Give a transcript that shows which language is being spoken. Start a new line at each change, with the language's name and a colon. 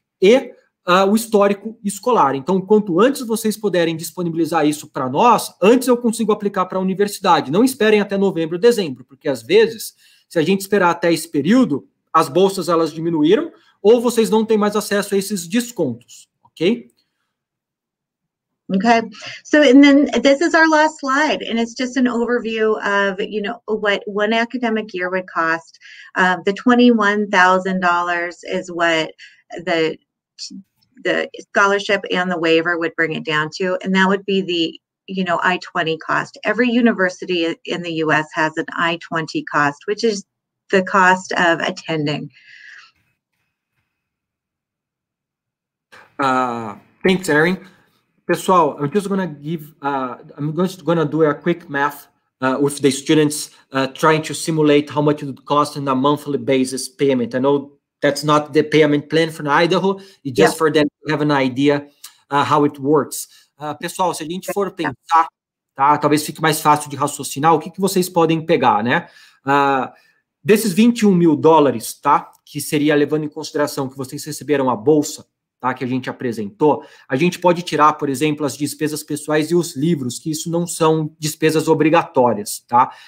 Portuguese: E o histórico escolar. Então, quanto antes vocês puderem disponibilizar isso para nós, antes eu consigo aplicar para a universidade. Não esperem até novembro, dezembro, porque às vezes, se a gente esperar até esse período, as bolsas elas diminuíram, ou vocês não têm mais acesso a esses descontos, ok?
English: Okay, so and then this is our last slide, and it's just an overview of, you know, what one academic year would cost. The $21,000 is what the scholarship and the waiver would bring it down to, and that would be the, you know, I-20 cost. Every university in the U.S. has an I-20 cost, which is the cost of attending. Thanks, Erin. Pessoal, I'm just gonna give. I'm just gonna do a quick math with the students, trying to simulate how much it would cost in a monthly basis payment. I know that's not the payment plan for Idaho. It's just for them to have an idea how it works.
Portuguese: Pessoal, se a gente for pensar, tá? Talvez fique mais fácil de raciocinar. O que vocês podem pegar, né? Desses $21.000, tá? Que seria levando em consideração que vocês receberam a bolsa. Tá, que a gente apresentou, a gente pode tirar, por exemplo, as despesas pessoais e os livros, que isso não são despesas obrigatórias. Tá?